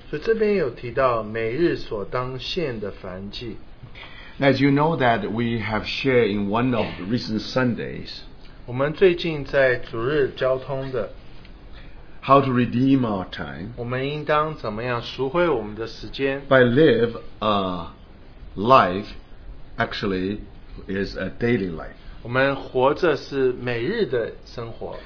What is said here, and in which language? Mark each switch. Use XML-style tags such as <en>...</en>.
<zh>所以这边有提到每日所当献的燔祭。</zh> <en>As you know that we have shared in one of the recent Sundays,</en> <zh>我们最近在主日交通的,</zh> <en>how to redeem our time,</en> <zh>我们应当怎么样赎回我们的时间,</zh> <en>by live a life, actually is a daily life.</en> <zh>我们活着是每日的生活。</zh>